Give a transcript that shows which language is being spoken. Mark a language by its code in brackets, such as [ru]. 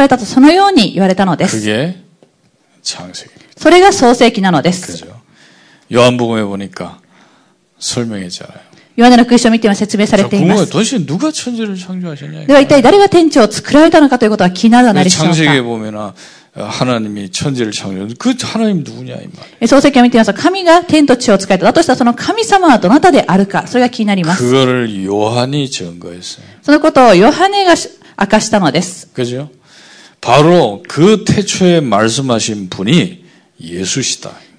[ja] しかしイエス様は、イエス様は万物を創造されたとそのように言われたのです。 [ko] 그게 창세기. [ja] それが創世記なのです。 [ko] 그죠. 요한복음에 보니까 설명했잖아요. [ja] 요한의福音書を見ても説明されています。 [ko] 자, 도대체 누가 천지를 창조하셨냐? [ja] では一体誰が天地を作られたのかということは気になるなりしょうか。 [ko] 창세기에 보면 하나님이 천지를 창조했는데 그 하나님 누구냐 이 말이에요. [ja] 創世記を 見てみます。神が 天と地を作られた。だとしたらその神様はどなたであるか。それが 気になります。 [ko] 그거를 요한이 증거했어요. [ja] そのことをヨハネが明かしたのです。 [ko] 그죠? 바로 그 태초에 말씀하신 분이 예수시다.